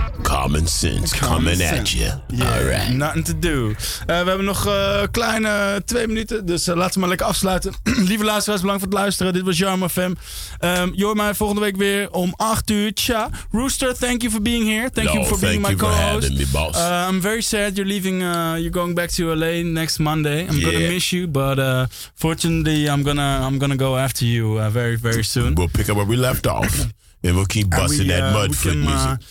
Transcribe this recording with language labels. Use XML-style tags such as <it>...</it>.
<en>Common Sense coming at you. Yeah. All right. Nothing to do.</en> <nl>We hebben nog kleine 2 minuten, dus laten we maar lekker afsluiten. Lieve luisteraars, bedankt voor het luisteren. Dit was Jarmo FM. Je hoort mij volgende week weer om 8 uur. Tja.</nl> <en>Rooster, thank you for being here. Thank you for being my co-host. Thank you for having me, boss. I'm very sad you're leaving. You're going back to LA next Monday. I'm gonna miss you, but fortunately, I'm gonna go after you very, very soon. We'll pick up where we left off. And we'll keep busting that Mudflip music.</en>